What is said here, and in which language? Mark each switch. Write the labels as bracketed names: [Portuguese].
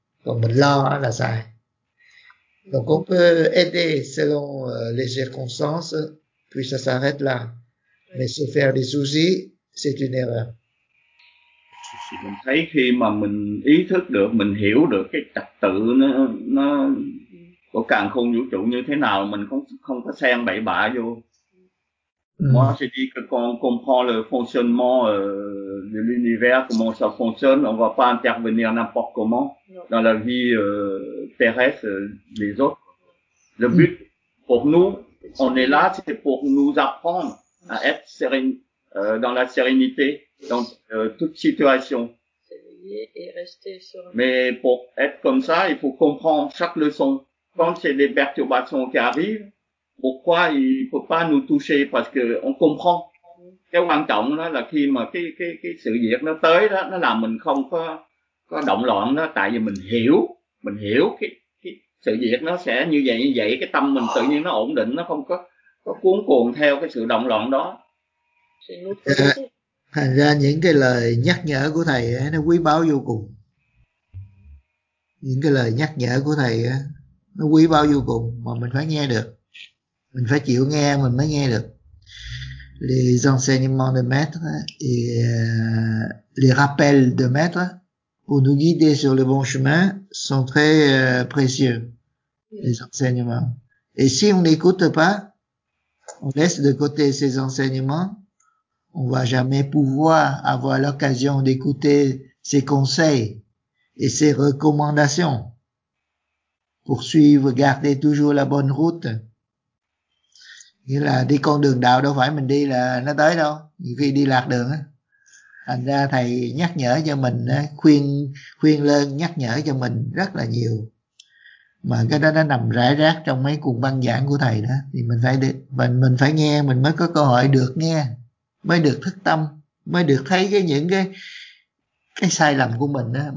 [Vietnamese] Còn mình lo là sai. [French] Donc on peut aider selon les circonstances, puis ça s'arrête là. Mais se faire des soucis, c'est une erreur. [Vietnamese] Mình thấy khi mà mình ý thức được, mình hiểu được cái trật tự nó của càng khôn vũ trụ như thế nào, mình không có xen bậy bạ vô. [French] Moi, je dis que quand on comprend le fonctionnement de l'univers, comment ça fonctionne, on va pas intervenir n'importe comment dans la vie terrestre des autres. Le but pour nous, on est là, c'est pour nous apprendre à être sérénité, dans la sérénité dans toute situation. Mais pour être comme ça, il faut comprendre chaque leçon. Quand c'est des perturbations qui arrivent, pourquoi il peut pas nous toucher? Parce que on comprend. [Vietnamese] Cái quan trọng đó là khi mà cái sự việc nó tới đó, nó làm mình không có động loạn đó, tại vì mình hiểu cái sự việc nó sẽ như vậy, cái tâm mình tự nhiên nó ổn định, nó không có cuốn cuồng theo cái sự động loạn đó. Thành ra những cái lời nhắc nhở của thầy ấy, nó quý báu vô cùng. Những cái lời nhắc nhở của thầy ấy, nó quý báu vô cùng, mà mình phải nghe được. Mình phải chịu nghe mình mới nghe được. [French] les enseignements de maître et les rappels de maître pour nous guider sur le bon chemin sont très précieux, les enseignements. Et si on n'écoute pas, on laisse de côté ces enseignements, on va jamais pouvoir avoir l'occasion d'écouter ces conseils et ces recommandations pour suivre, garder toujours la bonne route. [Vietnamese] Nghĩa là đi con đường đạo đâu phải mình đi là nó tới đâu, nhiều khi đi lạc đường á. Thành ra thầy nhắc nhở cho mình, khuyên lên nhắc nhở cho mình rất là nhiều. Mà cái đó nó nằm rải rác trong mấy cuộc băng giảng của thầy đó, thì mình phải nghe, mình mới có cơ hội được nghe, mới được thức tâm, mới được thấy cái những cái sai lầm của mình á.